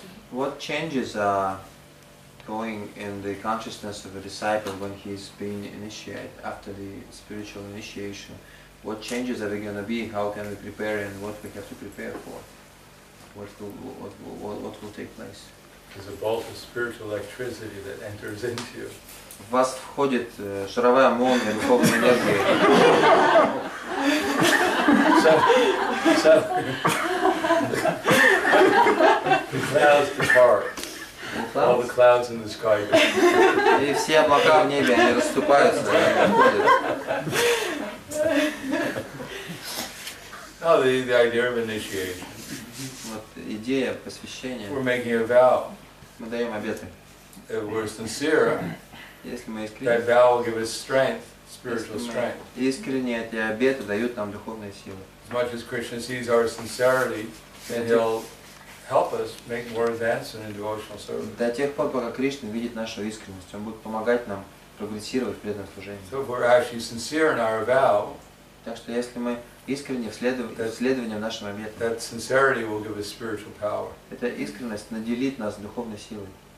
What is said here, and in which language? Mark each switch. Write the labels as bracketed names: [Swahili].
[English] What changes are going in the consciousness of a disciple when he's being initiated after the spiritual initiation? What changes are they going to be? How can we prepare and what we have to prepare for? What will take place? There's a bolt of spiritual electricity that enters into you. [Russian] В вас входит шаровая молния духовной энергии. [English] So, it clouds depart. All the clouds in the sky. [Russian] И все облака в небе, они расступаются, они уходят. [English] Oh, the idea of initiation. [Russian] Вот идея посвящения. [English] We're making a vow. [Russian] Мы даем обеты. [English] If we're sincere, [Russian] если мы искренне, [English] that vow will give us strength, spiritual strength. [Russian] Искренне эти обеты дают нам духовные силы. [English] As much as Krishna sees our sincerity, then he'll help us make more advancement in devotional service. [Russian] До тех пор, пока Кришна видит нашу искренность, он будет помогать нам прогрессировать в преданном служении. [English] So if we're actually sincere in our vow, [Russian] так что если мы искренне следованием нашим обетам, [English] that sincerity will give us spiritual power. [Russian] Эта искренность наделит нас духовной силой.